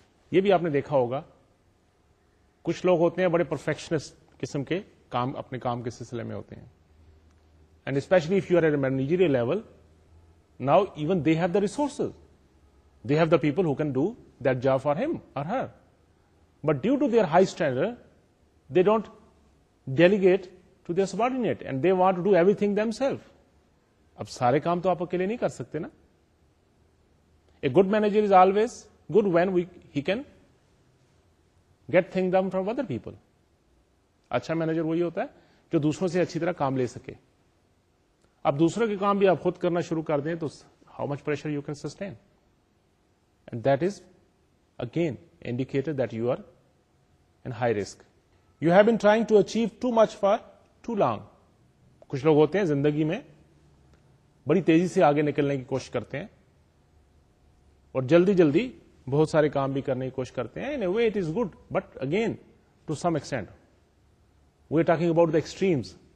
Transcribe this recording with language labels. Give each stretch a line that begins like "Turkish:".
Urdu: یہ بھی آپ نے دیکھا ہوگا, کچھ لوگ ہوتے ہیں
English: بڑے پرفیکشنسٹ قسم کے کام, اپنے کام کے سلسلے میں ہوتے ہیں, and especially if you are at managerial level, now even they have the resources, they have the people who can do that job for him or her, but due to their high standard they don't delegate to their subordinate and they want to do everything themselves.
Urdu: Ab sare kaam to aap akele nahi kar sakte na.
English: A good manager is always good when he can get things done from other people.
Urdu: Achha manager wahi hota hai جو دوسروں سے اچھی طرح کام لے سکے. اب دوسروں کے کام بھی آپ خود کرنا شروع کر دیں تو
English: How much pressure you can sustain, and that is again indicator that you are in high risk. You have been trying to achieve too much for too long.
Urdu: کچھ لوگ ہوتے ہیں زندگی میں بڑی تیزی سے آگے نکلنے کی کوشش کرتے ہیں اور جلدی جلدی بہت سارے کام بھی کرنے کی کوشش کرتے ہیں.
English: In a way it is good, but again to some extent we are talking about the extremes.